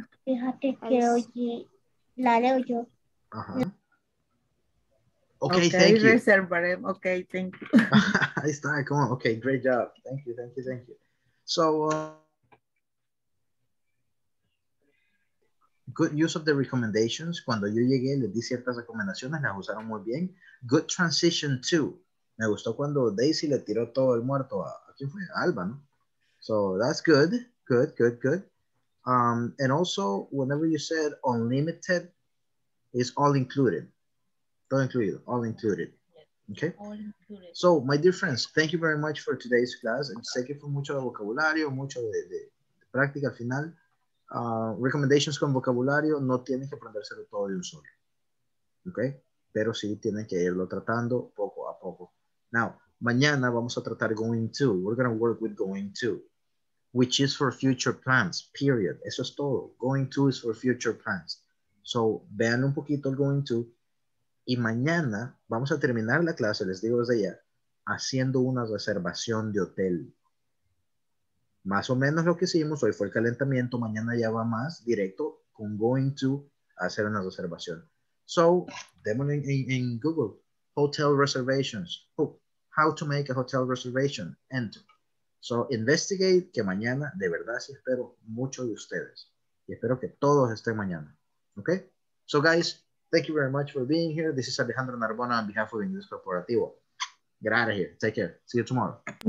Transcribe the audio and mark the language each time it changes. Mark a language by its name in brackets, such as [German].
[Spanish] Fíjate que hoy la leo yo. [English] Okay, thank you. Okay, thank you. [Spanish] Ahí está, [English] come on. Okay, great job. Thank you. So, good use of the recommendations. [Spanish] Cuando yo llegué, les di ciertas recomendaciones, las usaron muy bien. [English] Good transition too. [Spanish] Me gustó cuando Daisy le tiró todo el muerto a quién fue, Alba, ¿no? [English] So, that's good. Good. And also, whenever you said unlimited, it's all included. All included. Okay. So, my dear friends, thank you very much for today's class. [Spanish] And sé que fue mucho de vocabulario, mucho de práctica al final. Recommendations con vocabulario, no tienen que aprendérselo todo de un solo. Okay. Pero sí tienen que irlo tratando poco a poco. Now, mañana vamos a tratar going to. [English] We're going to work with going to, which is for future plans, period. [Spanish] Eso es todo. [English] Going to is for future plans. So, [Spanish] vean un poquito el [English] going to. [Spanish] Y mañana vamos a terminar la clase, les digo desde ya, haciendo una reservación de hotel. Más o menos lo que hicimos hoy fue el calentamiento, mañana ya va más directo con going to hacer una reservación. [English] So, [Spanish] démosle en [English] Google, hotel reservations, how to make a hotel reservation, enter. [Spanish] So, investigate que mañana, de verdad, sí espero mucho de ustedes. Y espero que todos estén mañana. Okay? [English] So, guys, thank you very much for being here. This is Alejandro Narbona on behalf of Inglés Corporativo. Get out of here. Take care. See you tomorrow.